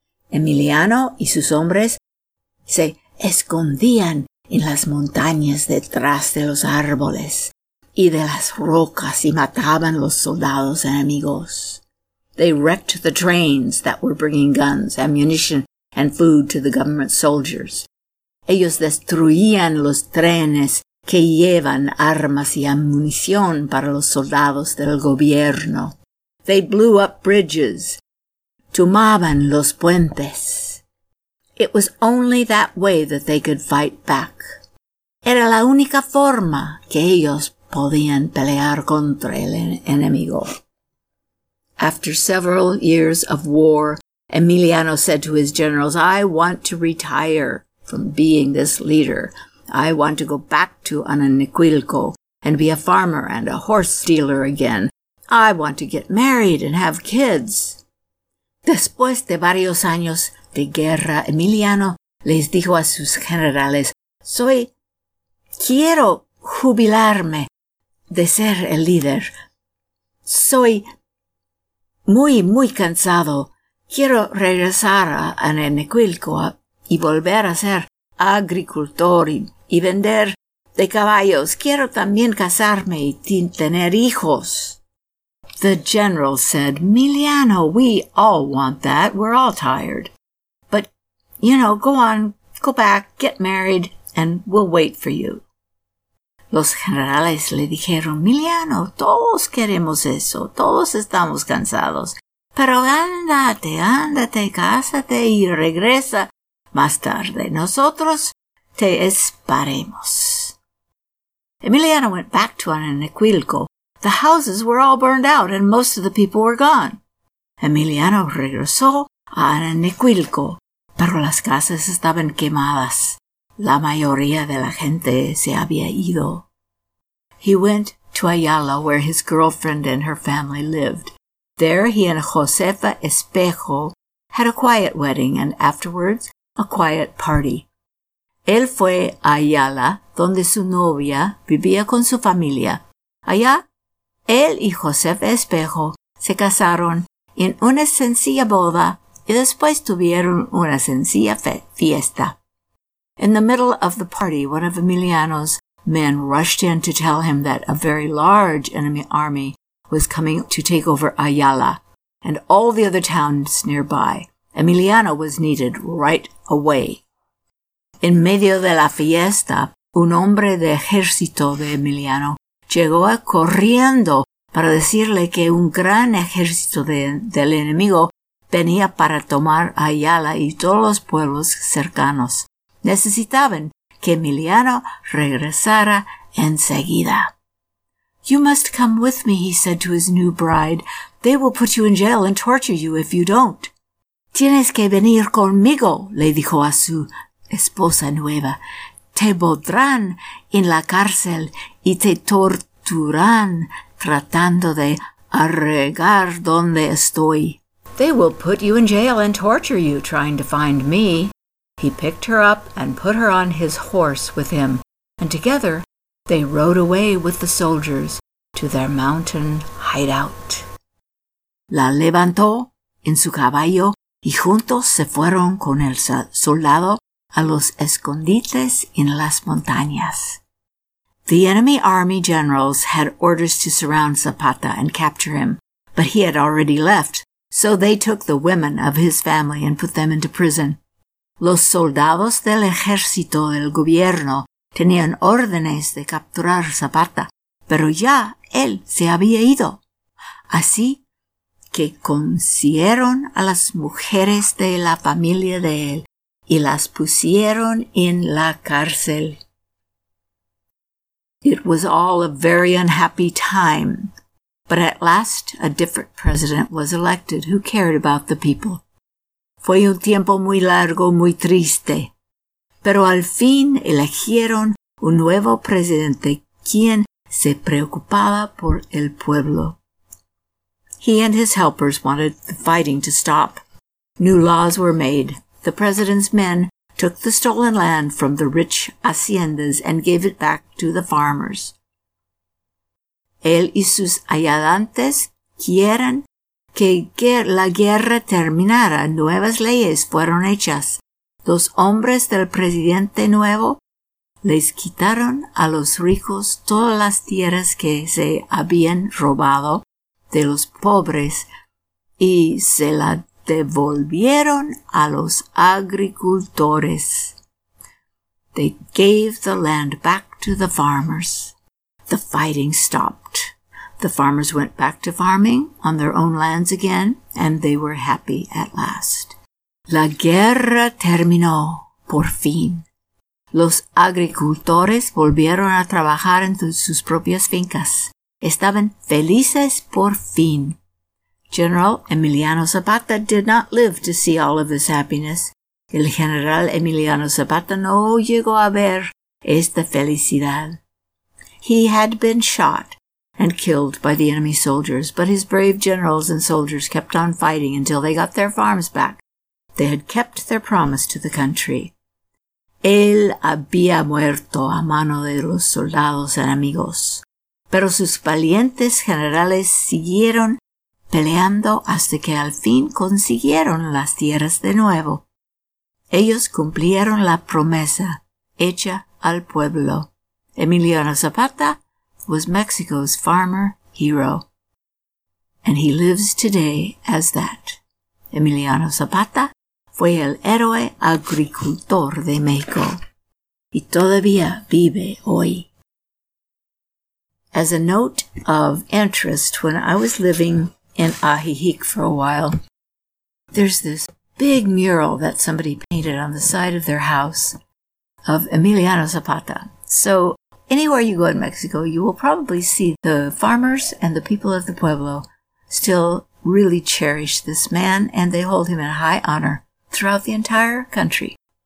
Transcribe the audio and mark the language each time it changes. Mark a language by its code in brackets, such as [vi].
[es] Emiliano y sus hombres se escondían en las montañas detrás de los árboles y de las rocas y mataban los soldados enemigos. [en] They wrecked the trains that were bringing guns, ammunition, and food to the government soldiers. [es] Ellos destruían los trenes que llevan armas y ammunición para los soldados del gobierno. [en] They blew up bridges. [es] Tumaban los puentes. [en] It was only that way that they could fight back. [es] Era la única forma que ellos podían pelear contra el enemigo. [en] After several years of war, Emiliano said to his generals, "I want to retire from being this leader. I want to go back to Ananiquilco and be a farmer and a horse dealer again. I want to get married and have kids." [es] Después de varios años de guerra, Emiliano les dijo a sus generales, quiero jubilarme de ser el líder. Muy, muy cansado. Quiero regresar a Ananiquilco y volver a ser agricultor y vender de caballos. Quiero también casarme y tener hijos. [en] The general said, "Emiliano, we all want that. We're all tired. But, you know, go on, go back, get married, and we'll wait for you." [es] Los generales le dijeron, Emiliano, todos queremos eso, todos estamos cansados, pero ándate, ándate, cásate y regresa más tarde. Nosotros te esperemos. [en] Emiliano went back to Ananiquilco. The houses were all burned out and most of the people were gone. [es] Emiliano regresó a Ananiquilco, pero las casas estaban quemadas. La mayoría de la gente se había ido. [en] He went to Ayala, where his girlfriend and her family lived. There he and Josefa Espejo had a quiet wedding and afterwards a quiet party. [es] Él fue a Ayala, donde su novia vivía con su familia. Allá, él y Josefa Espejo se casaron en una sencilla boda y después tuvieron una sencilla fiesta. [en] In the middle of the party, one of Emiliano's men rushed in to tell him that a very large enemy army was coming to take over Ayala and all the other towns nearby. Emiliano was needed right away. [es] En medio de la fiesta, un hombre de ejército de Emiliano llegó corriendo para decirle que un gran ejército del enemigo venía para tomar Ayala y todos los pueblos cercanos. Necesitaban que Emiliano regresara enseguida. [en] "You must come with me," he said to his new bride. "They will put you in jail and torture you if you don't." [es] "Tienes que venir conmigo," le dijo a su esposa nueva. te pondrán en la cárcel y te torturarán tratando de arreglar dónde estoy. [en] They will put you in jail and torture you trying to find me. He picked her up and put her on his horse with him, and together they rode away with the soldiers to their mountain hideout. [es] La levantó en su caballo y juntos se fueron con el soldado a los escondites en las montañas. [en] The enemy army generals had orders to surround Zapata and capture him, but he had already left, so they took the women of his family and put them into prison. [es] Los soldados del ejército del gobierno tenían órdenes de capturar Zapata, pero ya él se había ido. Así que consiguieron a las mujeres de la familia de él y las pusieron en la cárcel. [en] It was all a very unhappy time, but at last a different president was elected who cared about the people. [es] Fue un tiempo muy largo, muy triste, pero al fin eligieron un nuevo presidente quien se preocupaba por el pueblo. [en] He and his helpers wanted the fighting to stop. New laws were made. The president's men took the stolen land from the rich haciendas and gave it back to the farmers. [es] Él y sus ayudantes quieren que la guerra terminara. Nuevas leyes fueron hechas. Los hombres del presidente nuevo les quitaron a los ricos todas las tierras que se habían robado de los pobres y se la devolvieron a los agricultores. [en] They gave the land back to the farmers. The fighting stopped. The farmers went back to farming on their own lands again, and they were happy at last. [es] La guerra terminó por fin. Los agricultores volvieron a trabajar en sus propias fincas. Estaban felices por fin. [en] General Emiliano Zapata did not live to see all of this happiness. [es] El general Emiliano Zapata no llegó a ver esta felicidad. [en] He had been shot and killed by the enemy soldiers, but his brave generals and soldiers kept on fighting until they got their farms back. They had kept their promise to the country. [es] Él había muerto a mano de los soldados enemigos, pero sus valientes generales siguieron peleando hasta que al fin consiguieron las tierras de nuevo. Ellos cumplieron la promesa hecha al pueblo. [en] Emiliano Zapata was Mexico's farmer hero, and he lives today as that. [es] Emiliano Zapata fue el héroe agricultor de México, y todavía vive hoy. [en] As a note of interest, when I was living in Ajijic for a while, there's this big mural that somebody painted on the side of their house of Emiliano Zapata. So anywhere you go in Mexico, you will probably see the farmers and the people of the pueblo still really cherish this man, and they hold him in high honor throughout the entire country.